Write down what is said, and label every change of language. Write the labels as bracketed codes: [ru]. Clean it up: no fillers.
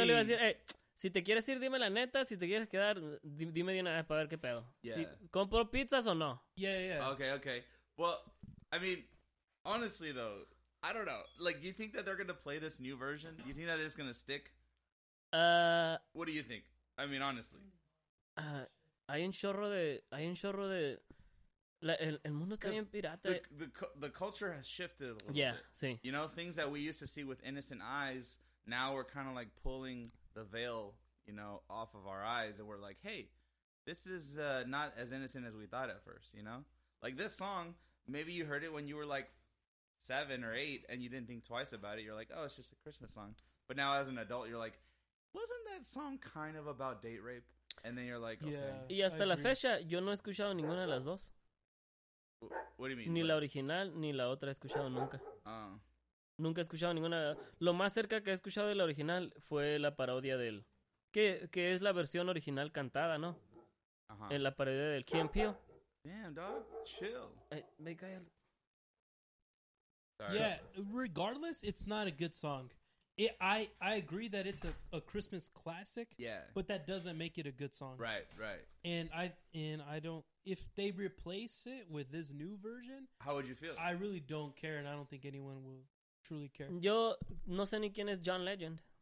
[es] Sí, pues yo le iba a decir, hey, Si te quieres ir, dime la neta. Si te quieres quedar, dime de una vez para ver qué pedo. [en] Yeah. [es] Si, ¿compro pizzas o no? [en] Yeah, yeah. Okay, okay. Well, I mean, honestly, though, I don't know. Like, do you think that they're going to play this new version? Do you think that it's going to stick? What do you think? I mean, honestly. [es] Hay un chorro de... El mundo está bien pirata. [en] The culture has shifted a little bit. Yeah, sí. You know, things that we used to see with innocent eyes, now we're kind of like pulling the veil, you know, off of our eyes, and we're like, hey, this is not as innocent as we thought at first, you know? Like, this song, maybe you heard it when you were like 7 or 8, and you didn't think twice about it. You're like, oh, it's just a Christmas song. But now as an adult, you're like, wasn't that song kind of about date rape? And then you're like, okay. Yeah, y hasta I la agree. [es] Fecha, yo no he escuchado ninguna de las dos. [en] What do you mean? [es] Ni la original, ni la otra he escuchado nunca. Oh. Nunca he escuchado ninguna. Lo más cerca que he escuchado de la original fue la parodia del... Que es la versión original cantada, ¿no? Uh-huh. En la parodia del Key and Peele. [en] Damn, dog. Chill. [es] Me cae el... [en] Yeah, regardless, it's not a good song. I agree that it's a Christmas classic. Yeah. But that doesn't make it a good song. Right, right. And I don't... If they replace it with this new version... How would you feel? I really don't care, and I don't think anyone will... Truly care. [es] Yo no sé ni quién es John Legend.